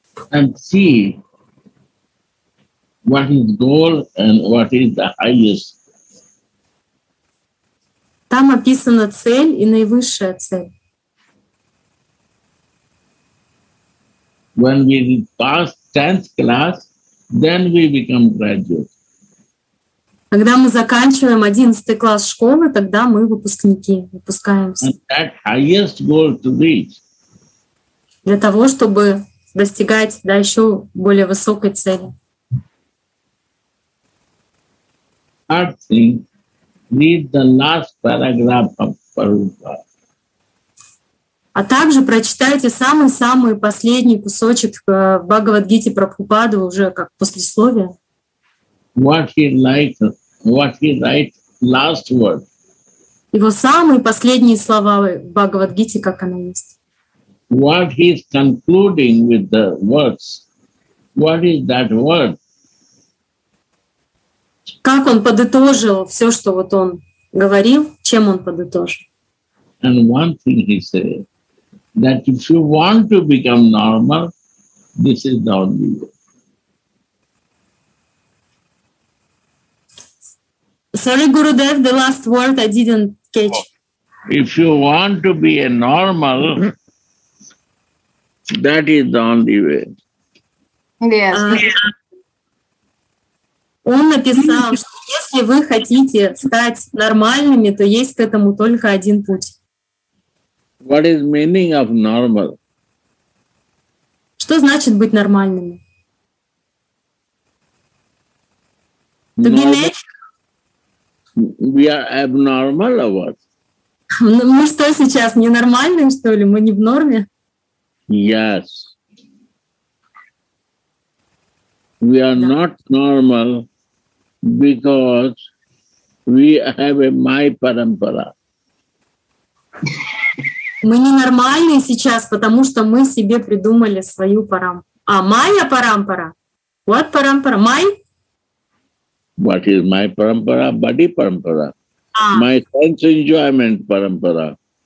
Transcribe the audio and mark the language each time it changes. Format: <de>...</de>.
<en>And see what is goal and what is the highest.</en> <ru>Там описана цель и наивысшая цель.</ru> <en>When we pass 10th class, then we become graduate.</en> <ru>Когда мы заканчиваем 11 класс школы, тогда мы выпускники, выпускаемся.</ru> <en>And that highest goal to reach.</en> <ru>Для того, чтобы достигать, да, еще более высокой цели.</ru> <en>Third thing, read the last paragraph of Prabhupada.</en> <ru>А также прочитайте самый-самый последний кусочек в Бхагавад-гите Прабхупады уже как послесловие.</ru> <en>What he writes last word.</en> <ru>Его самые последние слова в Бхагавад-гите, как оно есть.</ru> <en>What he is concluding with the words. What is that word?</en> <ru>Как он подытожил все, что вот он говорил, чем он подытожил?</ru> <en>And one thing he said, that if you want to become normal, this is the only way. Sorry, Gurudev, the last word I didn't catch. If you want to be a normal, that is the only way. Yes.</en> <ru>Он написал, что если вы хотите стать нормальными, то есть к этому только один путь.</ru> <en>What is meaning of normal?</en> <ru>Что значит быть нормальным?</ru> <en>To be normal. We are abnormal or what?</en> <ru>Мы что сейчас, ненормальные, что ли? Мы не в норме?</ru> <en>Yes. We are not normal because we have a my parampara.</en> <ru>Мы ненормальные сейчас, потому что мы себе придумали свою парампару. А, моя парампара?</ru> <en>What parampara? My? What is my parampara? Body parampara. My sense enjoyment parampara.</en>